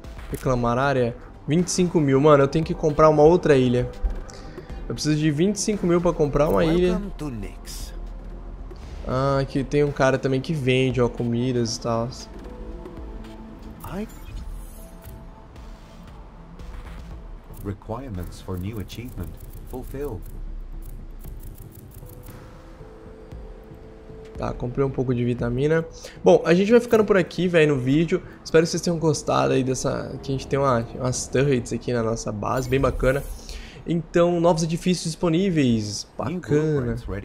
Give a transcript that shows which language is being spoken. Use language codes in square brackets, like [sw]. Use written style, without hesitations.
[pt] Reclamar área? 25 mil. Mano, eu tenho que comprar uma outra ilha. Eu preciso de 25 mil pra comprar uma ilha. Ah, aqui tem um cara também que vende, ó, comidas e tal. [en] Requirements for new achievement fulfilled. [pt] Tá, comprei um pouco de vitamina. Bom, a gente vai ficando por aqui, velho, no vídeo. Espero que vocês tenham gostado aí dessa... Que a gente tem umas turrets aqui na nossa base, bem bacana. Então, novos edifícios disponíveis. Bacana.